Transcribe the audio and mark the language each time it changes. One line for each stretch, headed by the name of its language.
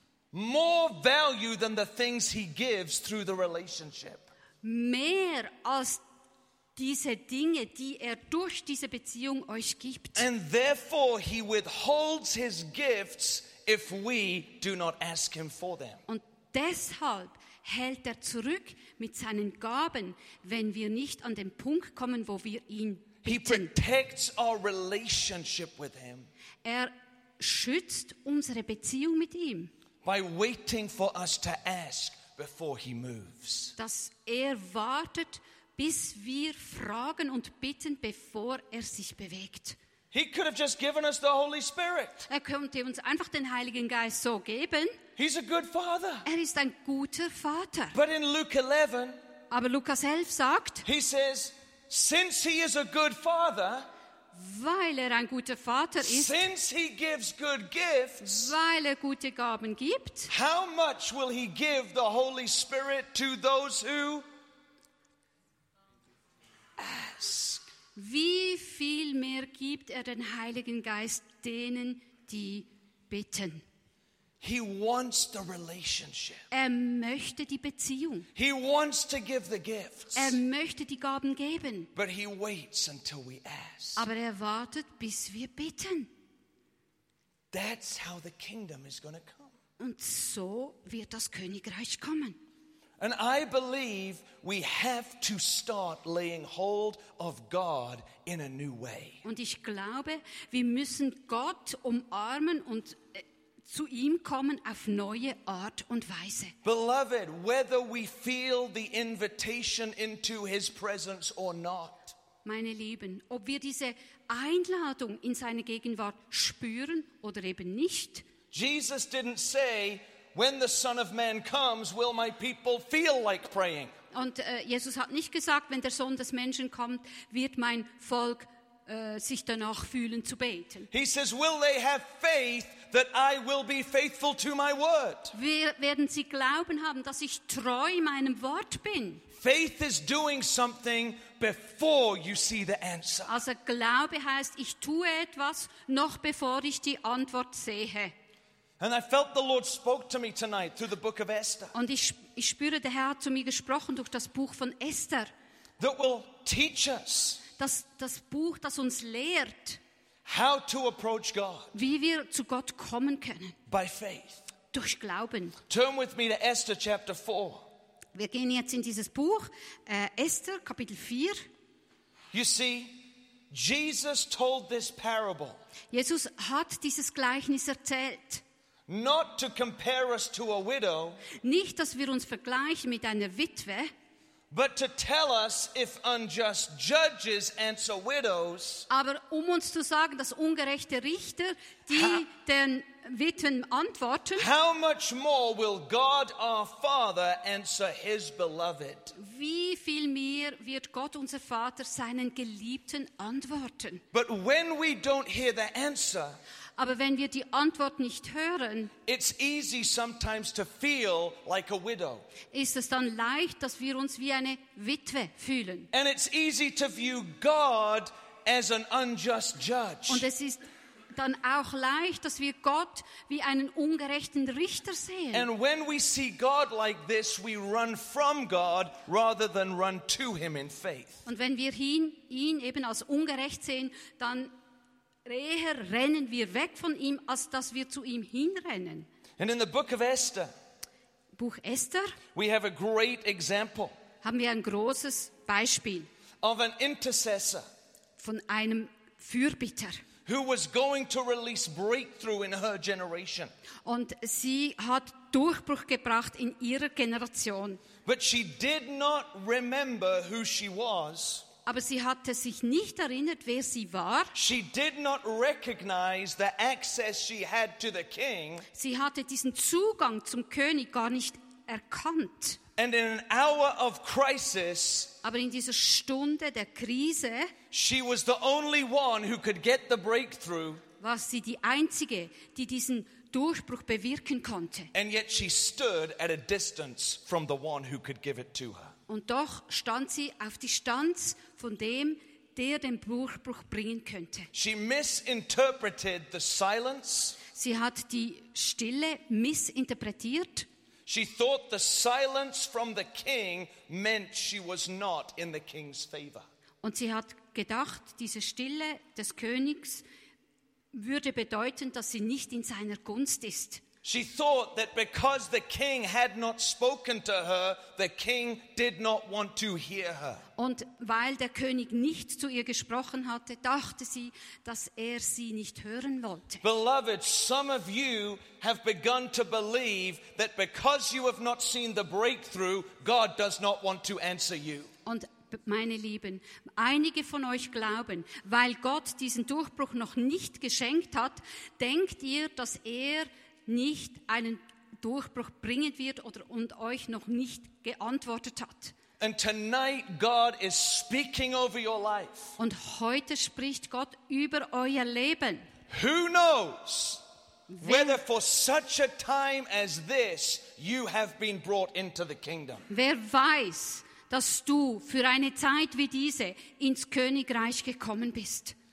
English: More value than the things he gives through the relationship.
German: Mehr als diese Dinge, die er durch diese Beziehung euch gibt.
English: And therefore he withholds his gifts if we do not ask him for them.
German: Und deshalb hält er zurück mit seinen Gaben, wenn wir nicht an den Punkt kommen, wo wir ihn bitten.
English: He protects our relationship with him.
German: Er schützt unsere Beziehung mit ihm.
English: By waiting for us to ask before he moves.
German: Dass er wartet, bis wir fragen und bitten, bevor er sich bewegt.
English: He could have just given us the Holy Spirit.
German: Er könnte uns einfach den Heiligen Geist so geben.
English: He's a good father.
German: Er ist ein guter Vater.
English: But in Luke 11,
German: aber Lukas 11 sagt,
English: he says, since he is a good father,
German: weil er ein guter Vater ist,
English: since he gives good gifts,
German: weil er gute Gaben gibt,
English: how much will he give the Holy Spirit to those who ask?
German: Wie viel mehr gibt er den Heiligen Geist denen, die bitten?
English: He wants the relationship.
German: Er möchte die Beziehung.
English: He wants to give the gifts.
German: Er möchte die Gaben geben.
English: But he waits until we ask.
German: Aber er wartet, bis wir bitten.
English: That's how the kingdom is going to come.
German: Und so wird das Königreich kommen.
English: And I believe we have to start laying hold of God in a new way.
German: Und ich glaube, wir müssen Gott umarmen und zu ihm kommen auf neue Art und Weise.
English: Beloved, whether we feel the invitation into his presence or not.
German: Meine Lieben, ob wir diese Einladung in seine Gegenwart spüren oder eben nicht.
English: Jesus didn't say, when the Son of Man comes, will my people feel like praying.
German: Und Jesus hat nicht gesagt, wenn der Sohn des Menschen kommt, wird mein Volk sich danach fühlen zu beten.
English: He says, will they have faith that I will be faithful to my word?
German: Wir werden sie glauben haben, dass ich treu meinem Wort bin.
English: Faith is doing something before you see the answer.
German: Also Glaube heißt, ich tue etwas noch bevor ich die Antwort sehe.
English: And I felt the Lord spoke to me tonight through the book of Esther.
German: Und ich spüre, der Herr hat zu mir gesprochen durch das Buch von Esther.
English: That will teach us.
German: Das Buch, das uns lehrt,
English: how to approach God.
German: Wie wir zu Gott kommen können.
English: By faith.
German: Durch Glauben.
English: Turn with me to Esther chapter 4.
German: Wir gehen jetzt in dieses Buch, Esther Kapitel 4.
English: You see, Jesus told this parable.
German: Jesus hat dieses Gleichnis erzählt.
English: Not to compare us to a widow.
German: Nicht, dass wir uns vergleichen mit einer Witwe.
English: But to tell us if unjust judges answer widows.
German: Aber um uns zu sagen, dass ungerechte Richter die den Witwen antworten.
English: How much more will God our Father answer his beloved?
German: Wie viel mehr wird Gott unser Vater seinen Geliebten antworten?
English: But when we don't hear the answer.
German: Aber wenn wir die Antwort nicht hören,
English: it's easy sometimes to feel like a widow.
German: Ist es dann leicht, dass wir uns wie eine Witwe fühlen.
English: And it's easy to view God as an unjust judge.
German: Und es ist dann auch leicht, dass wir Gott wie einen ungerechten Richter sehen.
English: And when we see God like this, we run from God rather than run to him in faith.
German: Und wenn wir ihn eben als ungerecht sehen, dann eher rennen wir weg von ihm, als dass wir zu ihm hinrennen.
English: And in the book of Esther,
German: Buch Esther,
English: we have a great example,
German: haben wir ein großes Beispiel,
English: of an intercessor,
German: von einem Fürbitter,
English: who was going to release breakthrough in her generation.
German: Und sie hat Durchbruch gebracht in ihrer Generation.
English: But she did not remember who she was.
German: Aber sie hatte sich nicht erinnert, wer sie war.
English: She did not recognize the access she had to the king.
German: Sie hatte diesen Zugang zum König gar nicht erkannt.
English: And in an hour of crisis,
German: aber in dieser Stunde der Krise,
English: she was the only one who could get the breakthrough.
German: War sie die Einzige, die diesen Durchbruch bewirken konnte.
English: And yet she stood at a distance from the one who could give it to her.
German: Und doch stand sie auf Distanz von dem, der den Durchbruch bringen könnte.
English: She misinterpreted the silence.
German: Sie hat die Stille missinterpretiert.
English: She thought the silence from the king meant she was not in the king's favor.
German: Und sie hat gedacht, diese Stille des Königs würde bedeuten, dass sie nicht in seiner Gunst ist.
English: She thought that because the king had not spoken to her, the king did not want to hear her.
German: Und weil der König nicht zu ihr gesprochen hatte, dachte sie, dass sie nicht hören wollte.
English: Beloved, some of you have begun to believe that because you have not seen the breakthrough, God does not want to answer you.
German: Und meine Lieben, einige von euch glauben, weil Gott diesen Durchbruch noch nicht geschenkt hat, denkt ihr, dass nicht einen Durchbruch bringen wird oder und euch noch nicht geantwortet hat.
English: And tonight God is speaking over your life.
German: Und heute spricht Gott über euer Leben.
English: Who knows whether for such a time as this you have been brought into the kingdom?
German: Wer weiß, dass du für eine Zeit wie diese ins Königreich gekommen bist?